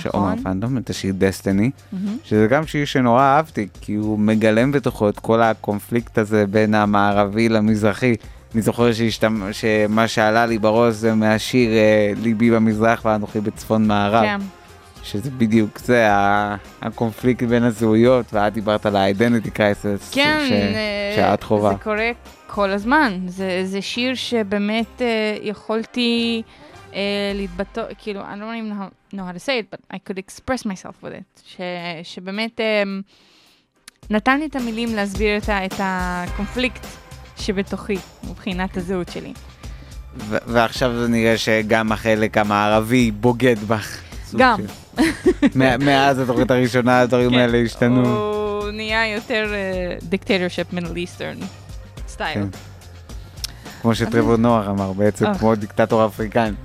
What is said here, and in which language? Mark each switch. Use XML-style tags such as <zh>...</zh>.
<he>של עומר הפנדום, את השיר דסטיני. שזה גם שיר שנורא אהבתי, כי הוא מגלם בתוכו את כל הקונפליקט הזה בין המערבי למזרחי. אני זוכר שמה שעלה לי בראש זה מהשיר ליבי במזרח ואנוכי בצפון מערב. כן. שזה בדיוק זה, הקונפליקט בין הזהויות, ואת דיברת על ה-</he> <en>identity crisis.</en> <he>כן, שאת חובה. זה קורה כל הזמן. זה שיר שבאמת יכולתי להתבטא, כאילו,</he> <en>I don't even know how to say it, but I could express myself with it.</en> <he>שבאמת נתן לי את המילים להסביר את הקונפליקט שבתוכי, מבחינת הזהות שלי. ועכשיו זה נראה שגם החלק המערבי בוגד בך. גם. מאז התוכנית הראשונה, הדברים האלה השתנו. הוא נהיה יותר</he> <en>dictatorship Middle Eastern style.</en> <he>כן. כמו שטרבו נוער אמר, בעצם כמו דיקטטור אפריקן.</he>